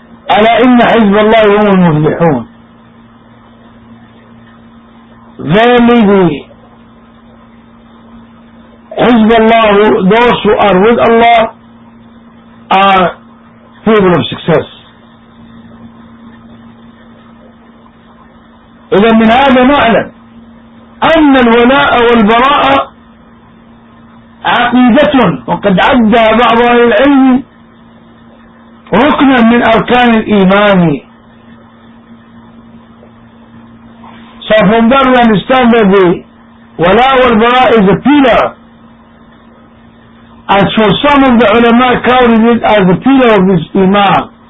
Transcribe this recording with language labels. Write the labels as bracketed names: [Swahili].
[Arabic] ألا إن حزب الله هم المفلحون. [English] Verily, حزب الله, those who are with Allah, are people of success. [Arabic] إذا من هذا نعلم أن الولاء والبراء عقيدة، وقد عدى بعض العلم ركنا من أركان الإيمان. [English] So from that we understand that the wala wal bara is a pillar. And so some of the ulama counted it as a pillar of this iman.